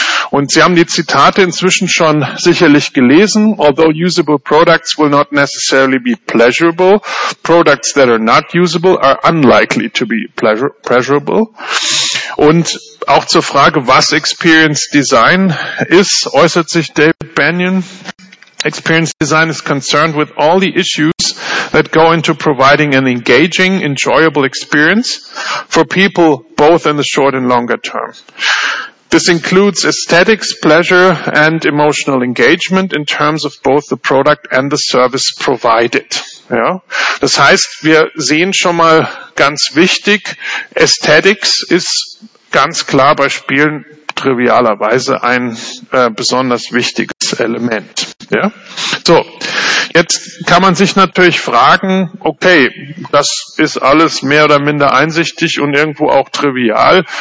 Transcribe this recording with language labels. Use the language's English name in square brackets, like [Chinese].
[German] Und Sie haben die Zitate inzwischen schon sicherlich gelesen. [English] Although usable products will not necessarily be pleasurable, products that are not usable are unlikely to be pleasurable. [German] Und auch zur Frage, was Experience Design ist, äußert sich David Bennion. [English] Experience Design is concerned with all the issues that go into providing an engaging, enjoyable experience for people both in the short and longer term. This includes aesthetics, pleasure and emotional engagement in terms of both the product and the service provided. [German] Ja? Das heißt, wir sehen schon mal ganz wichtig, Aesthetics ist ganz klar bei Spielen trivialerweise ein besonders wichtiges Element. Ja? So, jetzt kann man sich natürlich fragen, okay, das ist alles mehr oder minder einsichtig und irgendwo auch trivial.